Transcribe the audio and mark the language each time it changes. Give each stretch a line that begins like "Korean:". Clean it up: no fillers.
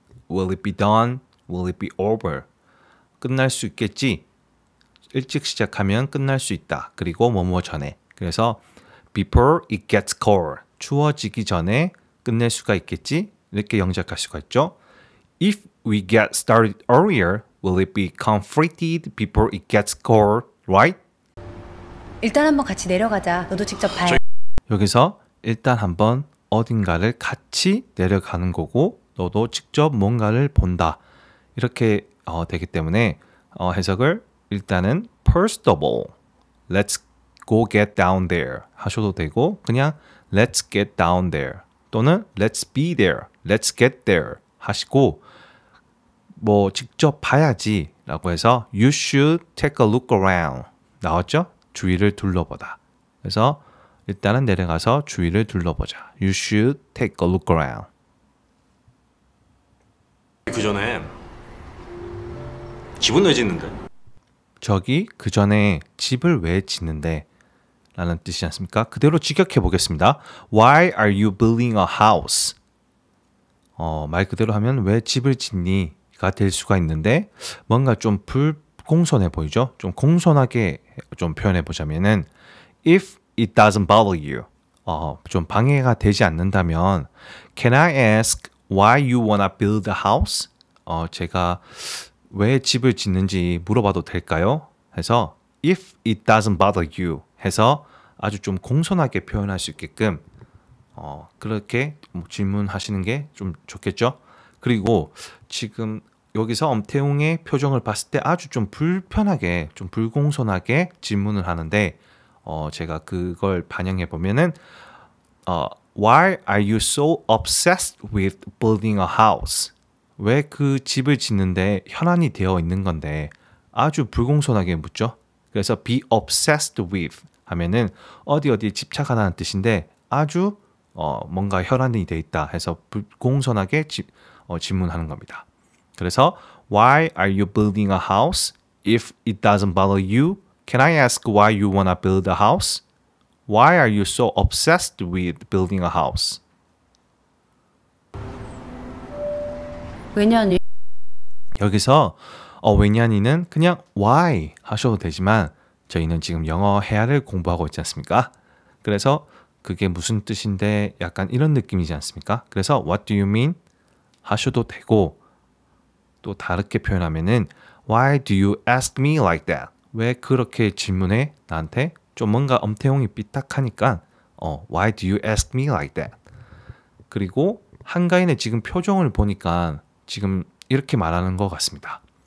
English: Will it be done? Will it be over?
Korean: 끝날 수 있겠지? 일찍 시작하면 끝날 수 있다. 그리고 뭐뭐 전에. 그래서
English: Before it gets cold,
Korean: 추워지기 전에 끝낼 수가 있겠지? 이렇게 영작할 수가 있죠.
English: If we get started earlier, will it be completed before it gets cold, right?
Korean: 일단 한번 같이 내려가자. 너도 직접 봐. 여기서 일단 한번 어딘가를 같이 내려가는 거고 너도 직접 뭔가를 본다. 이렇게 되기 때문에 해석을 일단은
English: First of all, let's go get down there
Korean: 하셔도 되고 그냥
English: let's get down there 또는 let's be there, let's get there
Korean: 하시고 뭐 직접 봐야지 라고 해서
English: You should take a look around
Korean: 나왔죠? 주위를 둘러보다. 그래서 일단은 내려가서 주위를 둘러보자.
English: You should take a look around.
Korean: 그 전에 집은 왜 짓는데? 저기 그 전에 집을 왜 짓는데? 라는 뜻이지 않습니까? 그대로 직역해 보겠습니다.
English: Why are you building a house?
Korean: 말 그대로 하면 왜 집을 짓니가 될 수가 있는데 뭔가 좀 공손해 보이죠? 좀 공손하게 좀 표현해 보자면은
English: If it doesn't bother you
Korean: 좀 방해가 되지 않는다면
English: Can I ask why you wanna build a house?
Korean: 제가 왜 집을 짓는지 물어봐도 될까요? 해서
English: If it doesn't bother you
Korean: 해서 아주 좀 공손하게 표현할 수 있게끔 그렇게 뭐 질문하시는 게 좀 좋겠죠? 그리고 지금 여기서 엄태웅의 표정을 봤을 때 아주 좀 불편하게, 좀 불공손하게 질문을 하는데 제가 그걸 반영해 보면은
English: Why are you so obsessed with building a house?
Korean: 왜 그 집을 짓는데 현안이 되어 있는 건데 아주 불공손하게 묻죠. 그래서 be obsessed with 하면은 어디 어디에 집착하다는 뜻인데 아주 뭔가 현안이 되어 있다 해서 불공손하게 질문하는 겁니다.
English: 그래서 Why are you building a house? If it doesn't bother you, can I ask why you wanna build a house? Why are you so obsessed with building a house?
Korean: 왜냐니? 여기서 왜냐니는 그냥 why 하셔도 되지만 저희는 지금 영어 회화를 공부하고 있지 않습니까? 그래서 그게 무슨 뜻인데 약간 이런 느낌이지 않습니까?
English: 그래서 What do you mean?
Korean: 하셔도 되고 또 다르게 표현하면은
English: Why do you ask me like that?
Korean: 왜 그렇게 질문해? 나한테 좀 뭔가 엄태용이 삐딱하니까
English: Why do you ask me like that?
Korean: 그리고 한가인의 지금 표정을 보니까 지금 이렇게 말하는 것 같습니다.